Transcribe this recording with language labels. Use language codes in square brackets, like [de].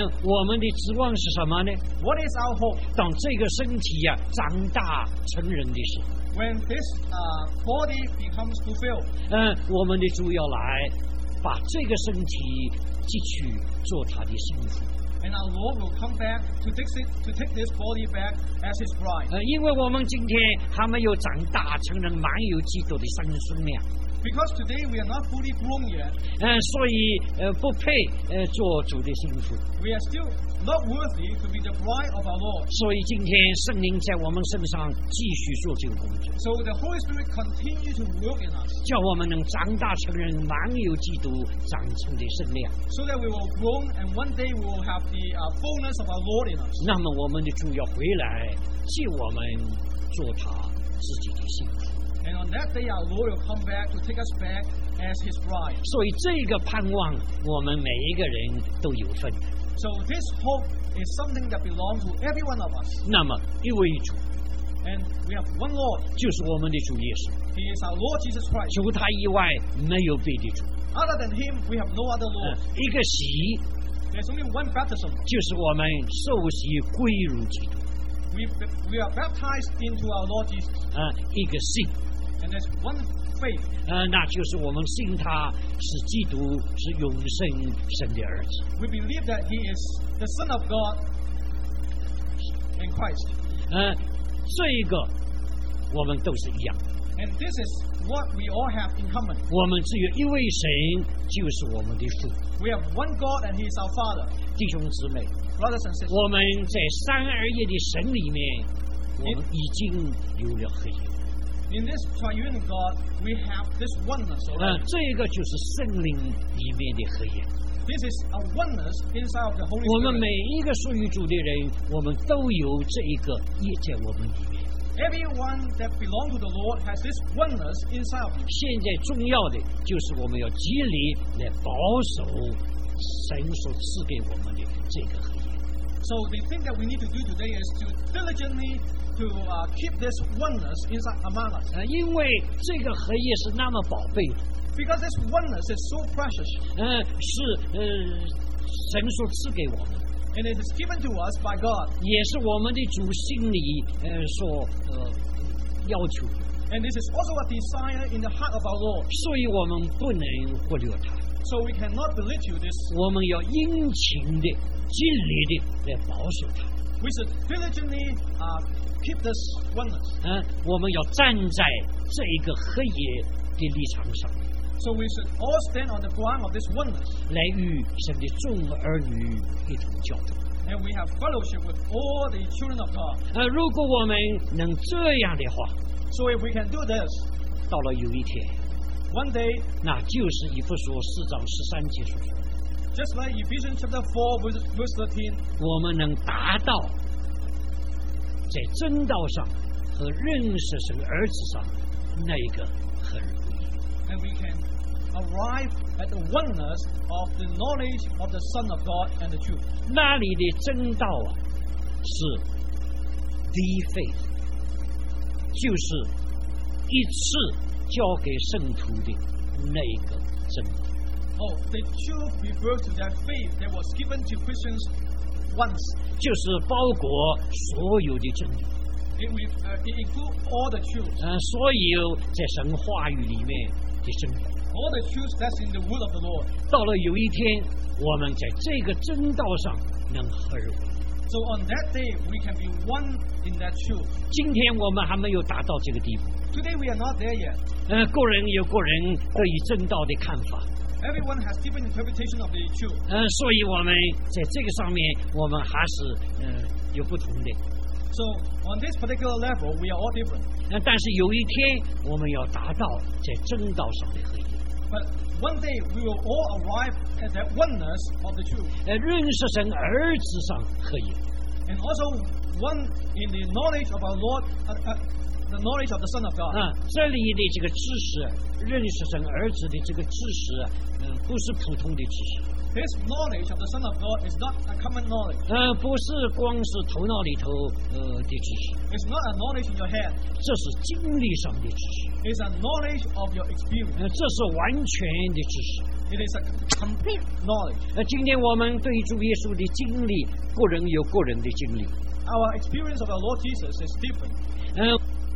[zh] 我们的指望是什么呢 [en] ？What is our hope? [zh] 当这个身体呀、啊、长大成人的时候。 [en] When this body becomes fulfilled. [zh] 我们的主要来把这个身体继续做他的身体。 [en] And our Lord will come back to take this body back as His bride. [zh] 因为我们今天还没有长大成人，满有基督的生命呢。 [en] Because today we are not fully grown yet. [zh] 所以不配做主的心腹。 [en] We are still not worthy to be the bride of our Lord. [zh] 所以今天圣灵在我们身上继续做这个工作。 [en] So the Holy Spirit continue to work in us. [zh] 叫我们能长大成人，满有基督长成的身量。 [en] So that we will grow and one day we will have the fullness of our Lord in us. [zh] 那么我们的主要回来替我们做他自己的心腹。 [en] And on that day, our Lord will come back to take us back as His bride. [zh] 所以这个盼望，我们每一个人都有份。 [en] So this hope is something that belongs to every one of us. [zh] 那么一位主。 [en] And we have one Lord. [zh] 就是我们的主耶稣。 [en] He is our Lord Jesus Christ. [zh] 除他以外，没有别的主。 [en] Other than Him, we have no other Lord. [zh] 一个洗。 [en] There's only one baptism. [zh] 就是我们受洗归入基督。 [en] We are baptized into our Lord Jesus. [zh] 一个信。 [en] And there's one faith. [zh] 那就是我们信他是基督，是永生神的儿子。 [en] We believe that he is the Son of God and Christ. [zh] 这一个我们都是一样。 [en] And this is what we all have in common. [zh] 我们只有一位神，就是我们的父。 [en] We have one God and he is our Father. [zh] 弟兄姊妹。 [en] Brothers and sisters. [zh] 我们在三而一的神里面，我们已经有了合一。 [en] In this triune God, we have this oneness. [zh] 这个就是圣灵里面的合一。 [en] This is a oneness inside of the Holy Spirit. [zh] 我们每一个属于主的人，我们都有这一个业在我们里面。 [en] Everyone that belongs to the Lord has this oneness inside of him. [zh] 现在重要的就是我们要极力来保守神所赐给我们的这个合一。 [en] So the thing that we need to do today is to diligently keep this oneness inside among us. [zh] 因为这个合一是那么宝贝的。 [en] Because this oneness is so precious. [zh] 是神所赐给我们。 [en] And it is given to us by God. [zh] 也是我们的主心里所要求。 [en] And this is also a desire in the heart of our Lord. [zh] 所以我们不能忽略它。 [en] So we cannot belittle this. [zh] 我们要殷勤的、尽力的来保守它。 [en] We should diligently keep this oneness. [zh] 我们要站在这一个合一的立场上。 [en] So we should all stand on the ground of this oneness. [zh] 来与神的众儿女一同交通。 [en] And we have fellowship with all the children of God. [zh] 如果我们能这样的话。 [en] So if we can do this. [zh] 到了有一天。 [en] One day. [zh] 那就是以弗所四章十三节所说。 [en] Just like Ephesians chapter 4 verse 13. [zh] 我们能达到在真道上和认识神儿子上那个合一。 [en] And we can arrive at the oneness of the knowledge of the Son of God and the truth. [zh] 那里的真道啊是 [en] the faith. [zh] 就是一次交给圣徒的那个真道。 [en] Oh, the truth refers to that faith that was given to Christians once. [zh] 就是包裹所有的真理。 [en] It includes all the truth. [zh] 所有在神话语里面的真理。 [en] All the truth that's in the word of the Lord. [zh] 到了有一天，我们在这个真道上能合一。 [en] So on that day, we can be one in that truth. [zh] 今天我们还没有达到这个地步。 [en] Today we are not there yet. [zh] 个人有个人对于真道的看法。 [en] Everyone has different interpretation of the truth. [zh] 所以我们在这个上面，我们还是有不同的。 [en] So on this particular level, we are all different. [zh] 但是有一天，我们要达到在真道上的合一。 [en] But one day we will all arrive at that oneness of the truth. [zh] 认识神儿子上合一。 [en] And also one in the knowledge of our Lord. The knowledge of the Son of God. [zh] 这里的这个知识，认识神儿子的这个知识，不是普通的知识。 [en] This knowledge of the Son of God is not a common knowledge. [zh] 不是光是头脑里头的知识。 [en] It's not a knowledge in your head. [zh] 这是经历上的知识。 [en] It's a knowledge of your experience. [zh] 这是完全的知识。 [en] It is a complete knowledge. [zh] 今天我们对主耶稣的经历，个人有个人的经历。 [en] Our experience of our Lord Jesus is different.